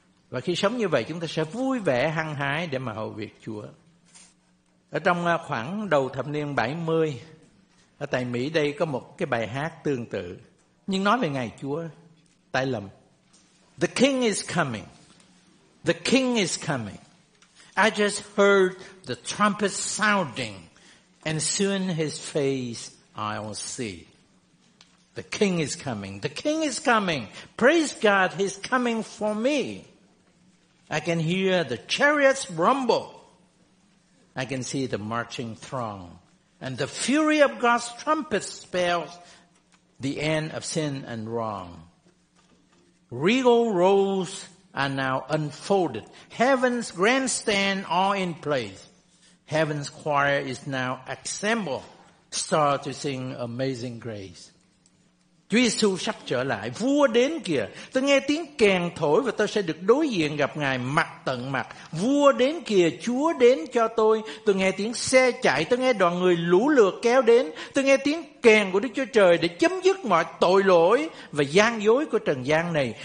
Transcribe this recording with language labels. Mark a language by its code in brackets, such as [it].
[vi] Và khi sống như vậy, chúng ta sẽ vui vẻ hăng hái để mà hầu việc Chúa. Ở trong khoảng đầu thập niên 70, ở tại Mỹ đây có một cái bài hát tương tự, nhưng nói về ngày Chúa, tai lầm. [en] The King is coming. The King is coming. I just heard the trumpet sounding, and soon his face I'll see. The King is coming. The King is coming. Praise God, he's coming for me. I can hear the chariots rumble. I can see the marching throng. And the fury of God's trumpet spells the end of sin and wrong. Regal rows are now unfolded. Heaven's grandstand all in place. Heaven's choir is now assembled. Start to sing Amazing Grace. [vi] Chúa Giê-xu sắp trở lại, vua đến kìa. Tôi nghe tiếng kèn thổi và tôi sẽ được đối diện gặp Ngài mặt tận mặt. Vua đến kìa, Chúa đến cho tôi. Tôi nghe tiếng xe chạy, tôi nghe đoàn người lũ lượt kéo đến. Tôi nghe tiếng kèn của Đức Chúa Trời để chấm dứt mọi tội lỗi và gian dối của trần gian này.